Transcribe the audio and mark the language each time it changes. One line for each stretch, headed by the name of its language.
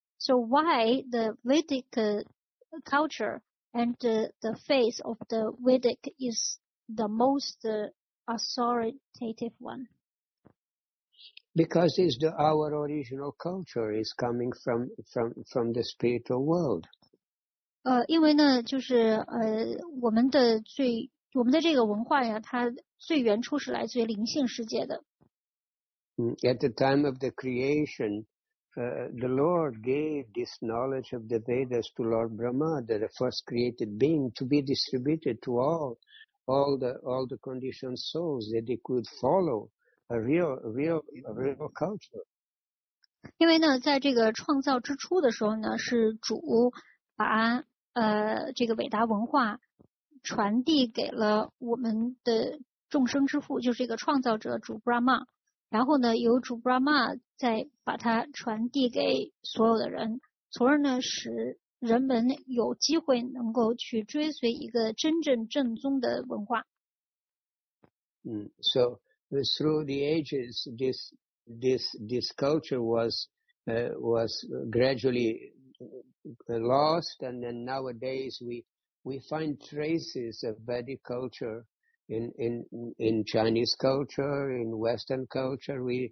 English: So why the Vedic culture and the faith of the Vedic is the most authoritative one? Because it's our original culture is coming from the spiritual world.
Chinese: 因为呢，就是我们的这个文化呀，它最原初是来自于灵性世界的。
English: At the time of the creation, the Lord gave this knowledge of the Vedas to Lord Brahma, the first created being, to be distributed to all the conditioned souls that they could follow. A real culture.
Chinese: 因为呢，在这个创造之初的时候呢，是主把这个伟大文化传递给了我们的众生之父，就是这个创造者主 Brahma。然后呢，由主 Brahma 再把它传递给所有的人，从而呢，使人们有机会能够去追随一个真正正宗的文化。
English: So. Through the ages, this culture was gradually lost, and then nowadays we find traces of Vedic culture in Chinese culture, in Western culture.